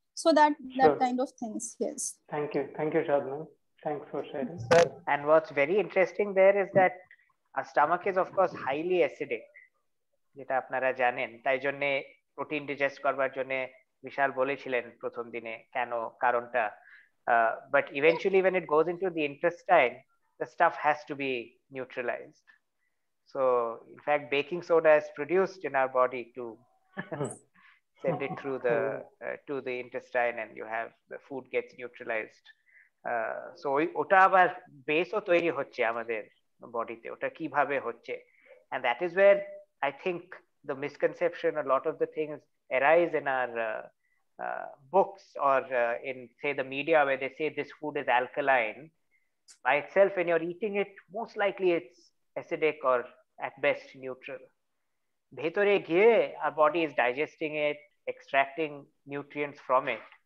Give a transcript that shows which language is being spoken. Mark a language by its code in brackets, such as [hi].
[en] So that kind of things, yes. Thank you Shadman, thanks for sharing. And what's very interesting there is that our stomach is of course highly acidic, [bn] jeta apnara janen, tai jonne protein digest korbar jonne বিশাল বলেছিলেন প্রথম দিনে কেন কারণটা, [en] but eventually when it goes into the intestine the stuff has to be neutralised, so in fact baking soda has produced in our body to send it through the to the intestine and you have the food gets neutralised, so [bn] ওটা আবার বেসও তৈরি হচ্ছে আমাদের বডিতে, ওটা কিভাবে হচ্ছে, [en] And that is where I think the misconception a lot of the things arise in our books or in say the media where they say this food is alkaline by itself, when you're eating it, most likely it's acidic or at best neutral. [bn] Bhetore giye, [en] our body is digesting it, extracting nutrients from it.